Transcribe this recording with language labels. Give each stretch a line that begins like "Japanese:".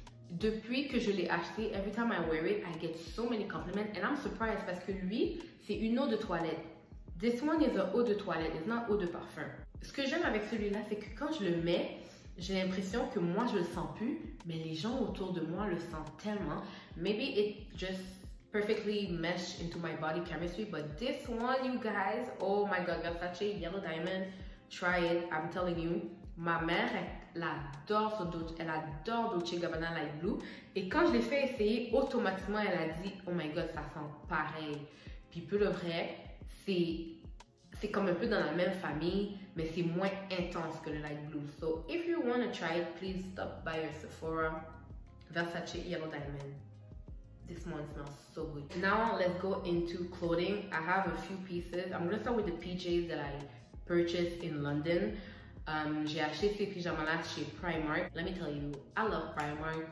French: Depuis que je l'ai acheté,
English: every time I wear it, I get so many compliments. And I'm surprised
French: parce que lui, c'est une eau de toilette.
English: This one is a eau de toilette, it's not eau de parfum.
French: Ce que j'aime avec celui-là, c'est que quand je le mets, j'ai l'impression que moi, je le sens plus. Mais les gens autour de moi le sentent tellement.
English: Maybe it just perfectly meshed into my body chemistry. But this one, you guys, oh my god, Versace Yellow Diamond, try it, I'm telling you.
French: Ma mère, elle adore Dolce & Gabbana Light Blue. Et quand je l'ai fait essayer, automatiquement, elle a dit,
English: oh my god,
French: ça sent pareil. Puis pour le vrai, c'est comme un peu dans la même famille, mais c'est moins intense que le Light Blue.
English: So, if you want to try it, please stop by your Sephora Versace Yellow Diamond. This one smells so good. Now, let's go into clothing. I have a few pieces. I'm going to start with the PJs that I purchased in London.
French: J'ai acheté ces pyjamas-là chez Primark.
English: Let me tell you, I love Primark.